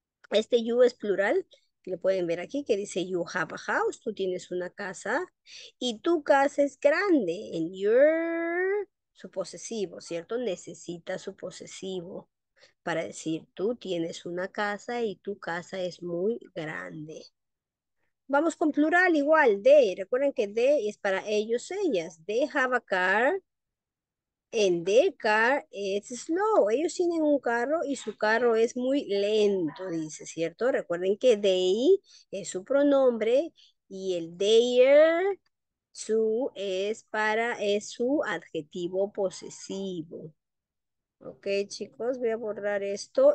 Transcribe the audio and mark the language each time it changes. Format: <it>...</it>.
<es>Este you es plural, que lo pueden ver aquí, que dice</es> <en>you have a house,</en> <es>tú tienes una casa y tu casa es grande. And your, su posesivo, ¿cierto? Necesita su posesivo para decir, tú tienes una casa y tu casa es muy grande. Vamos con plural igual, they. Recuerden que they es para ellos, ellas.</es> <en>They have a car and their car is slow.</en> <es>Ellos tienen un carro y su carro es muy lento, dice, ¿cierto? Recuerden que they es su pronombre y el their, su, es su adjetivo posesivo. Ok, chicos, voy a borrar esto.</es>